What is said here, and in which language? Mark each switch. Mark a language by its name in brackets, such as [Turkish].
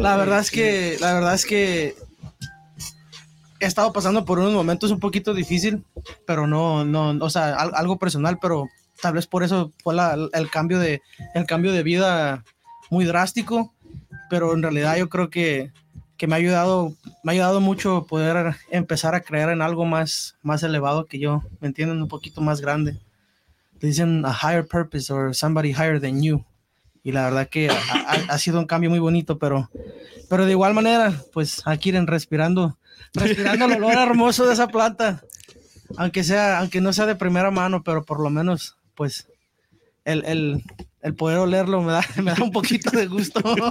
[Spanish] La verdad es que he estado pasando por unos momentos un poquito difícil, pero algo personal, pero tal vez por eso fue el cambio de vida muy drástico, pero en realidad yo creo que me ha ayudado mucho poder empezar a creer en algo más elevado que yo, ¿me entienden? Un poquito más grande. Dicen [English] a higher purpose or somebody higher than you. [Spanish] Y la verdad que ha sido un cambio muy bonito, pero de igual manera, pues aquí en respirando el olor hermoso de esa planta, aunque no sea de primera mano, pero por lo menos, pues, el poder olerlo me da un poquito de gusto.